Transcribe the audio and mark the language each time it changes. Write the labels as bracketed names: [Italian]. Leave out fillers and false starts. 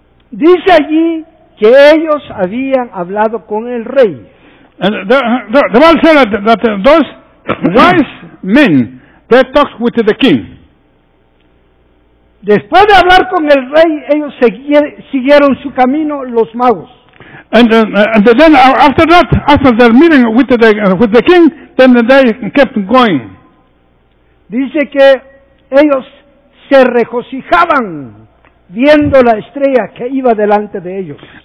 [Spanish] Dice allí que ellos habían hablado con el rey. [English] The Bible said that those wise men, they talked with the king. [Spanish] Después de hablar con el rey, ellos siguieron su camino los magos. [English] And then after their meeting with the king, they kept going. [Spanish] Dice que ellos se regocijaban viendo la estrella que iba delante de ellos.